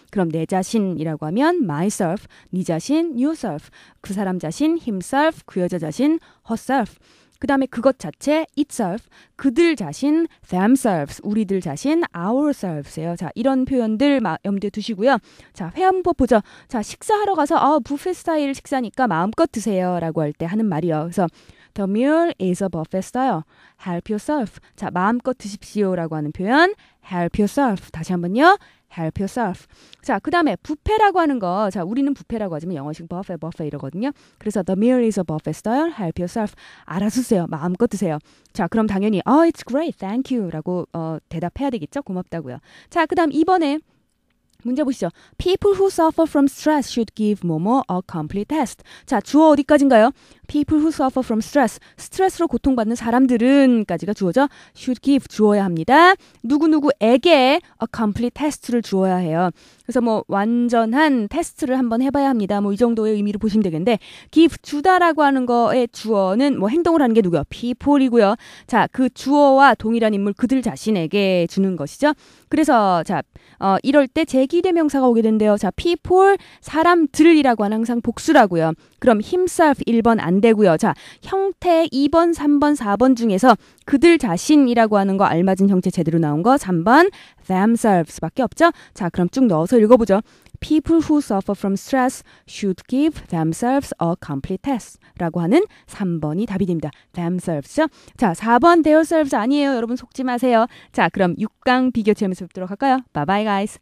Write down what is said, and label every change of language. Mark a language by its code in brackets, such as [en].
[ko] 그럼 내 자신이라고 하면 myself, 네 자신, yourself, 그 사람 자신, himself, 그 여자 자신, herself. 그 다음에 그것 자체, itself, 그들 자신, themselves, 우리들 자신, ourselves예요. 자, 이런 표현들 염두에 두시고요. 자, 회화문법 보죠. 자, 식사하러 가서 아, 뷔페 스타일 식사니까 마음껏 드세요 라고 할 때 하는 말이요. 그래서 [en] The meal is a buffet style. Help yourself. [ko] 자, 마음껏 드십시오 라고 하는 표현, [en] help yourself. [ko] 다시 한번요. [en] Help yourself. [ko] 자, 그 다음에 뷔페라고 하는 거. 자, 우리는 뷔페라고 하지만 영어식 buffet, buffet 이러거든요. [en] 그래서 The meal is a buffet style. Help yourself. [ko] 알아서 드세요. 마음껏 드세요. 자, 그럼 당연히 [en] Oh, it's great. Thank you. [ko] 라고 대답해야 되겠죠. 고맙다고요. 자, 그 다음 이번에 문제 보시죠. [en] People who suffer from stress should give Momo a complete test. [ko] 자, 주어 어디까지인가요? [en] People who suffer from stress. [ko] 스트레스로 고통받는 사람들은까지가 주어죠. [en] Should give [ko] 주어야 합니다. 누구누구에게 [en] a complete test [ko] 를 주어야 해요. 그래서 뭐 완전한 테스트를 한번 해봐야 합니다. 뭐 이 정도의 의미로 보시면 되겠는데 give 주다라고 하는 거의 주어는 뭐 행동을 하는 게 누구요? People이고요. 자, 그 주어와 동일한 인물 그들 자신에게 주는 것이죠. 그래서 자, 이럴 때 제기대명사가 오게 된대요. 자, people 사람들이라고 하는 항상 복수라고요. 그럼 himself 1번 안 되고요. 자, 형태 2번, 3번, 4번 중에서 그들 자신이라고 하는 거 알맞은 형태 제대로 나온 거 3번 themselves밖에 없죠. 자, 그럼 쭉 넣어서 읽어보죠. [en] People who suffer from stress should give themselves a complete test. [ko] 라고 하는 3번이 답이 됩니다. Themselves죠. 자, 4번 theirselves 아니에요. 여러분 속지 마세요. 자, 그럼 6강 비교체험에서 뵙도록 할까요? [en] Bye bye guys.